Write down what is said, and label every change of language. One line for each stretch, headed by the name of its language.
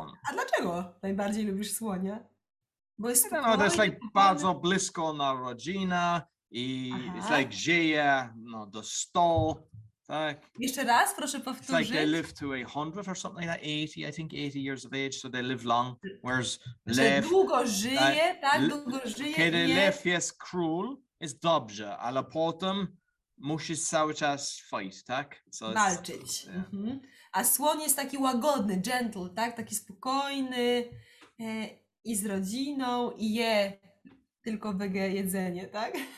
Polish: A dlaczego najbardziej lubisz słonia? bo jest spokojnie. No, to jest like bardzo blisko na rodzina i
English: it's like
Polish: żyje no, do 100. Tak. Jeszcze raz, proszę powtórzyć.
English: It's like they live to 100 or something like that, 80, I think 80 years of age, so they live long. Whereas lew,
Polish: długo żyje, długo żyje. Kiedy lew jest król, jest dobrze, ale potem musisz cały czas fight, tak?
English: So walczyć. Yeah.
Polish: Mm-hmm. A słoń jest taki łagodny, gentle, tak? Taki spokojny i z rodziną i je tylko wege jedzenie, tak?